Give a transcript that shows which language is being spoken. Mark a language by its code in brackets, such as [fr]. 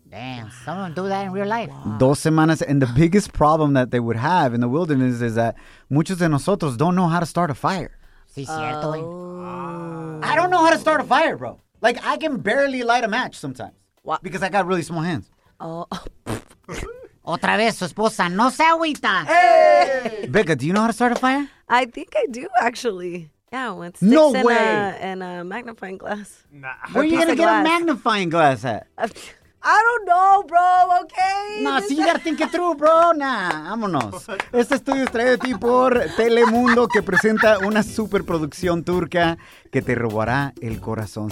[en] Damn, some of them do that in real life. Wow. [es] 2 semanas. [en] And the biggest problem that they would have in the wilderness is that [es] muchos de nosotros [en] don't know how to start a fire. [es] Sí, cierto. [en] I don't know how to start a fire, bro. Like, I can barely light a match sometimes. What? Because I got really small hands. Oh. [es] Otra vez, su esposa no se agüita. [en] Hey! Becca, do you know how to start a fire? I think I do, actually. Yeah, with sticks and a magnifying glass. Nah. Where are you going to get a magnifying glass at? I don't know, bro, okay? Nah, you got to think it through, bro. Nah, [es] vámonos. Este estudio es traído a ti por Telemundo, que presenta una superproducción turca que te robará el corazón.